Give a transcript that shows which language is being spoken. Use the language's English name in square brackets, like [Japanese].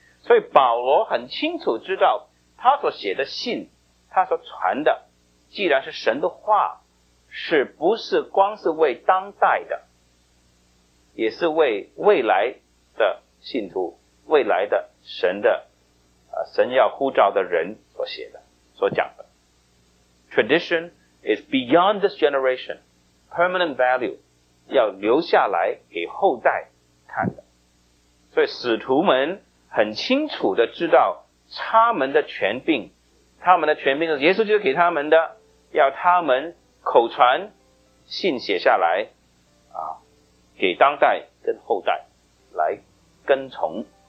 [Chinese] 所以保罗很清楚知道他所写的信，他所传的既然是神的话，是不是光是为当代的，也是为未来的信徒，未来的神的神要呼召的人所写的，所讲的。 [English] Tradition is beyond this generation, permanent value, [Chinese] 要留下来给后代看的。所以使徒们很清楚的知道他们的权柄，他们的权柄是耶稣基督给他们的，要他们口传信写下来啊，给当代跟后代来跟从。